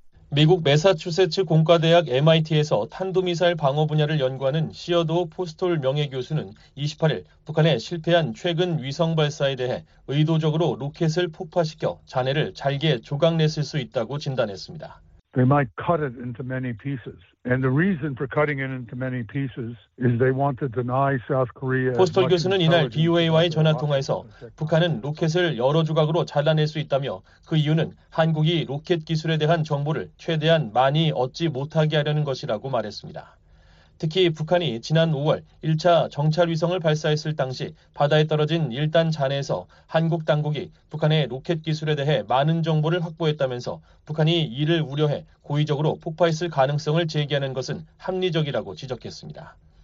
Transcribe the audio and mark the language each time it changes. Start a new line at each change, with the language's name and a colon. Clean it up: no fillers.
Korean: 미국 매사추세츠 공과대학 MIT에서 탄도미사일 방어 분야를 연구하는 시어도 포스톨 명예교수는 28일 북한의 실패한 최근 위성 발사에 대해 의도적으로 로켓을 폭파시켜 잔해를 잘게 조각냈을 수 있다고 진단했습니다.
English: They might cut it into many pieces. And the reason for cutting it into many pieces is they want to deny South Korea.
Korean: 포스톨 교수는 이날 BOA와의 전화 통화에서 북한은 로켓을 여러 조각으로 잘라낼 수 있다며 그 이유는 한국이 로켓 기술에 대한 정보를 최대한 많이 얻지 못하게 하려는 것이라고 말했습니다. 특히 북한이 지난 5월 1차 정찰위성을 발사했을 당시 바다에 떨어진 1단 잔해에서 한국 당국이 북한의 로켓 기술에 대해 많은 정보를 확보했다면서 북한이 이를 우려해 고의적으로 폭파했을 가능성을 제기하는 것은 합리적이라고 지적했습니다.